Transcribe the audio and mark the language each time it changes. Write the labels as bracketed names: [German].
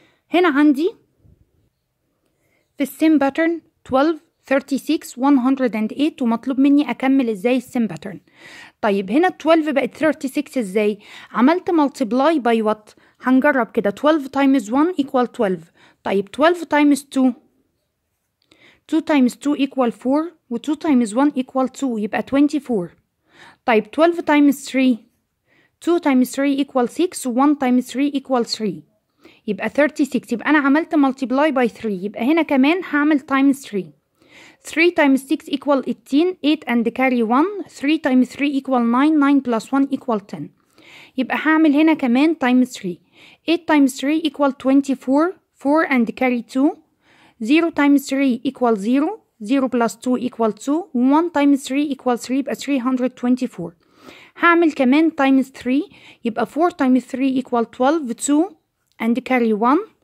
[Arabic] هنا عندي في السيم باترن 12 36 108. ومطلوب مني اكمل ازاي السيم باترن. طيب هنا 12 بقت 36 ازاي؟ عملت [English] multiply by what؟ [Arabic] هنجرب كده 12 times 1 equal 12. [English] طيب 12 times 2 times 2 equal 4 و 2 times 1 equal 2 يبقى 24. طيب 12 times 3 2 times 3 equal 6 و 1 times 3 equal 3 يبقى 36. [Arabic] يبقى أنا عملت [English] multiply by 3 [Arabic] يبقى هنا كمان هعمل times 3. [English] 3 times 6 equal 18 8 and carry 1. 3 times 3 equal 9 9 plus 1 equal 10 يبقى هعمل هنا كمان times 3. 8 times 3 equal 24 4 and carry 2. 0 times 3 equal 0 0 plus 2 equal 2. 1 times 3 equal 3 يبقى 324. هعمل كمان times 3 يبقى 4 times 3 equal 12 2 and carry 1.